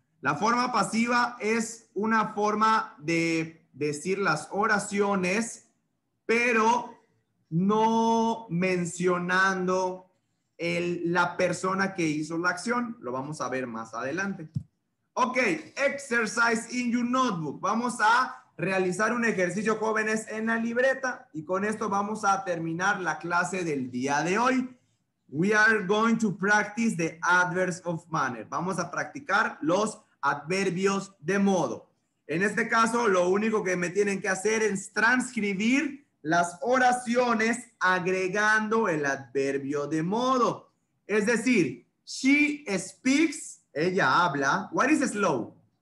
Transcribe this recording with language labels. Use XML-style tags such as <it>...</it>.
<es>La forma pasiva es una forma de decir las oraciones, pero no mencionando la persona que hizo la acción. Lo vamos a ver más adelante.</es> <en>Ok, exercise in your notebook.</en> <es>Vamos a realizar un ejercicio, jóvenes, en la libreta. Y con esto vamos a terminar la clase del día de hoy.</es> <en>We are going to practice the adverbs of manner.</en> <es>Vamos a practicar los adverbios de modo. En este caso, lo único que me tienen que hacer es transcribir las oraciones agregando el adverbio de modo. Es decir,</es> <en>she speaks,</en> <es>ella habla.</es> <en>What is slow?</en>